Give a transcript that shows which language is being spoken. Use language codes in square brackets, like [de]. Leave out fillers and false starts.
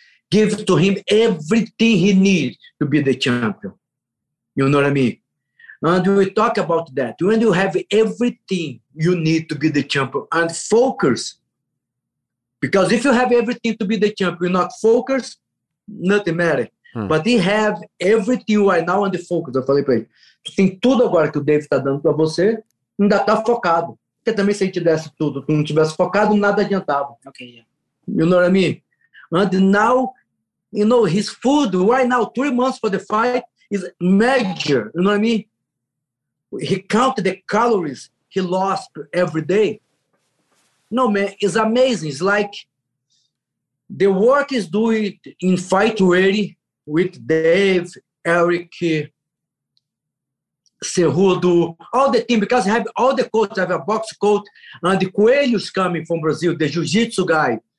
[en] Give to him everything he needs to be the champion. You know what I mean? And we talk about that. When you have everything you need to be the champion and focus. Because if you have everything to be the champion, not focus, nothing matters. Hmm. But he have everything right now on the focus. [pt] Eu falei pra ele. Tu tem tudo agora que o Dave tá dando pra você, ainda tá focado. Porque também se a gente desse tudo, tu não tivesse focado, nada adiantava. [en] Okay. You know what I mean? And now, you know, his food right now, 3 months for the fight, is major. You know what I mean? He counted the calories he lost every day. No, man, it's amazing. It's like the work is doing in Fight Ready with Dave, Eric, Cerrudo, all the team, because I have all the coaches, I have a box coach, and the Coelho's coming from Brazil, the jiu-jitsu guy.